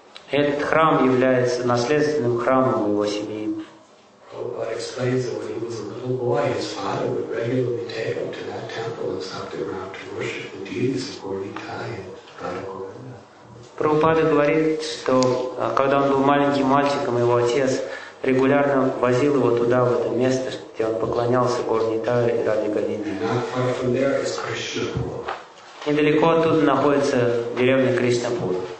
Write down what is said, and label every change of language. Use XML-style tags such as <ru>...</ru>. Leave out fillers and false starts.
<ru>Этот храм является наследственным храмом его семьи.</ru> <en>Prabhupada explains that when he was a little boy, his father would regularly take him to that temple in Saptagram to worship the deities of Gauritai and Gauranga.</en> <ru>Prabhupada говорит, что когда он был маленьким мальчиком, его отец регулярно возил его туда, в это место, где он поклонялся Гауритай и Радхе Говинда.</ru> <en>Not far from there is Krishnapur.</en> <ru>Недалеко оттуда находится деревня Кришнапур.</ru>